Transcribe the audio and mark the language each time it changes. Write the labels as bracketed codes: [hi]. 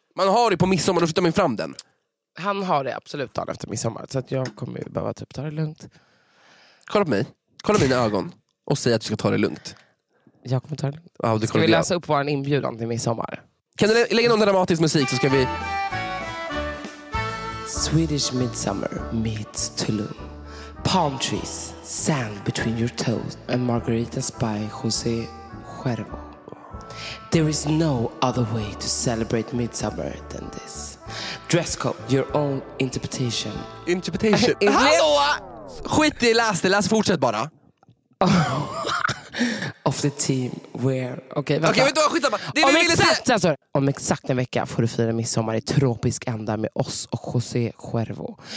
[sv] Man har det på midsommar och flyttar man fram den. Han har det absolut dagen efter midsommar. Så att jag kommer ju behöva typ ta det lugnt. Kolla på mig. Kolla på mina ögon. Och säg att du ska ta det lugnt. Jag kommer ta det lugnt. Ja, ska vi läsa upp vår inbjudan till midsommar? Kan du lägga någon dramatisk musik så ska vi... [en] Swedish midsummer meets Tulum. Palm trees, sand between your toes and margaritas by José Cuervo. There is no other way to celebrate midsummer than this. Dress code, your own interpretation. Interpretation? [sv] Hallå! Skit i läs, fortsätt bara. [en] Of the team where... Okej, [sv] okay, vänta. Okej, okay, vänta, skit samma. Det är om, exakt, alltså, om exakt en vecka får du fira midsommar i tropisk ända med oss och José Cuervo.